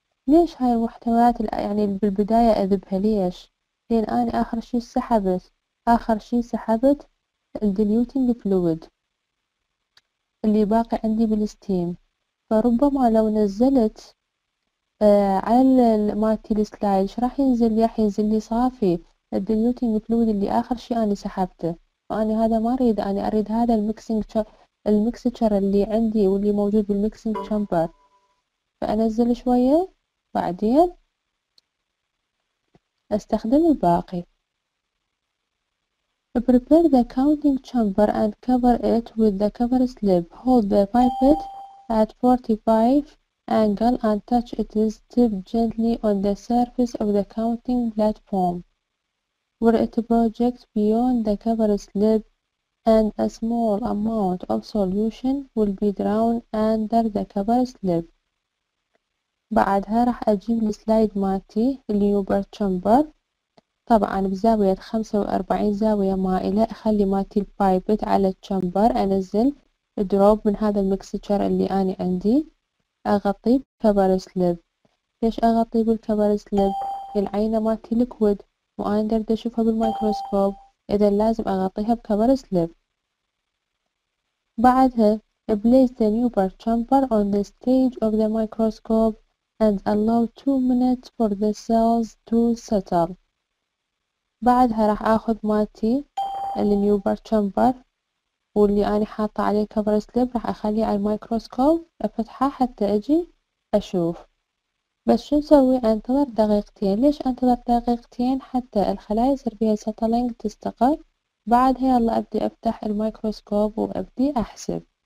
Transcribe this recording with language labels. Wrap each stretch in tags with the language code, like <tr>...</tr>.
<ar>ليش هاي المحتويات يعني بالبداية أذبها ليش؟ لأن أنا آخر شي سحبت، آخر شي سحبت الديليوتينج فلويد اللي باقي عندي بالستيم، فربما لو نزلت على مالتي السلايد ايش راح ينزل لي؟ راح ينزل لي صافي الديليوتينج فلويد اللي آخر شي أنا سحبته، وأنا هذا ما أريد. أنا أريد هذا المكسنجر اللي عندي واللي موجود بالميكسنج تشامبر، فأنزل شوية بعدين أستخدم الباقي.</ar> <en>Prepare the counting chamber and cover it with the cover slip. Hold the pipette at 45 angle and touch its tip gently on the surface of the counting platform. Where it projects beyond the cover slip and a small amount of solution will be drawn under the cover slip.</en> <ar>بعدها راح أجيب السلايد مالتي اللي هو بر تشامبر، طبعا بزاوية 45 زاوية مائلة. أخلي مالتي البايبت على التشامبر، أنزل دروب من هذا المكستشر اللي أنا عندي، أغطي بالكبر سليب. ليش أغطي بالكبر سليب؟ العينة مالتي ليكويد وأنا درد أشوفها بالمايكروسكوب، إذا لازم أغطيها بكبر سليب. بعدها</ar> <en>place the new bar chamber on the stage of the microscope and allow 2 minutes for the cells to settle.</en> <ar>بعدها راح اخذ مالتي النيو بار تشامبر واللي انا حاطه عليه كفر سليب، راح اخليه على الميكروسكوب افتحه حتى اجي اشوف. بس شو نسوي؟ انتظر دقيقتين. ليش انتظر دقيقتين؟ حتى الخلايا يصير فيها سيتلينج تستقر، بعدها يلا ابدي افتح الميكروسكوب وابدي احسب.</ar>